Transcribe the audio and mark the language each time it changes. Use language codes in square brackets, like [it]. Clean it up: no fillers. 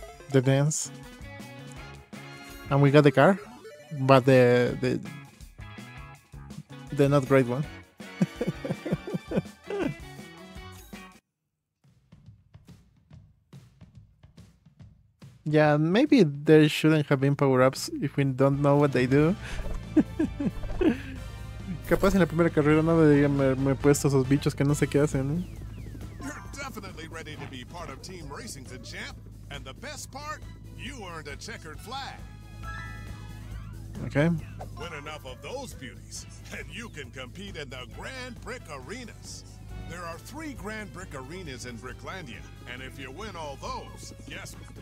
[en] The dance. And we got the car, but the not great one. Yeah, maybe there shouldn't have been power-ups if we don't know what they do. [es] Capaz en la primera carrera no debería haberme puesto esos bichos que no sé qué hacen. [en] You're definitely ready to be part of Team Racington, champ. And the best part, you earned a checkered flag. Okay. Win enough of those beauties, and you can compete in the Grand Brick Arenas. There are 3 Grand Brick Arenas in Bricklandia, and if you win all those, guess what?